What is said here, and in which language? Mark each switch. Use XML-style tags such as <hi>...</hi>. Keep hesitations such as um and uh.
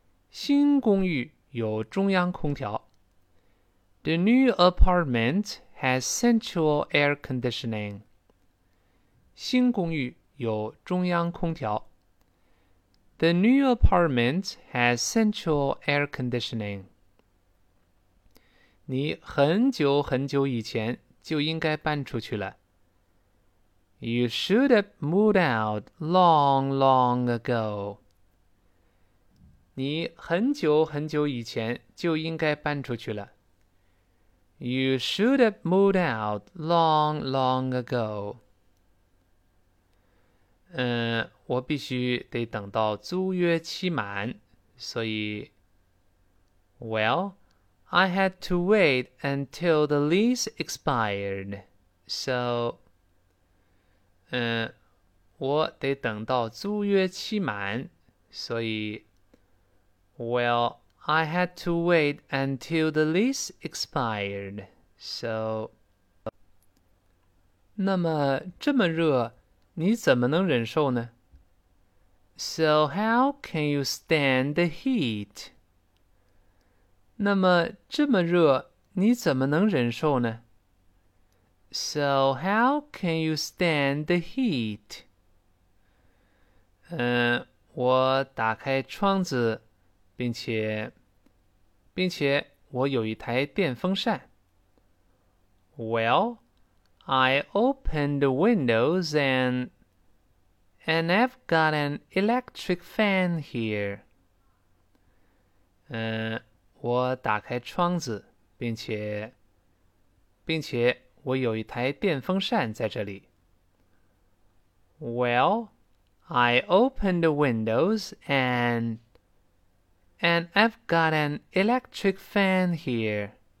<zh>新公寓有中央空调。</zh> <en>The new apartment has central air conditioning.</en> <zh>新公寓有中央空调。</zh> <en>The new apartment has central air conditioning.</en> <zh>你很久很久以前就应该搬出去了。</zh> <en>You should have moved out long, long ago.</en> <zh>你很久很久以前就应该搬出去了。</zh> <en>You should have moved out long, long ago.</en> <zh>嗯，我必须得等到租约期满，所以，</zh> <en>Well, I had to wait until the lease expired. So，</en> <zh>嗯，我得等到租约期满，所以，</zh> <en>Well, I had to wait until the lease expired. So，</en> <zh>那么这么热。你怎么能忍受呢？</zh> <en>So how can you stand the heat？</en> <zh>那么这么热，你怎么能忍受呢？</zh> <en>So how can you stand the heat？</en> <zh>嗯，我打开窗子，并且，并且我有一台电风扇。</zh> <en>Well. I open the windows and and I've got an electric fan here.</en> <zh>嗯，我打开窗子，并且，并且我有一台电风扇在这里。</zh> <en>Well, I open the windows and and I've got an electric fan here.</en>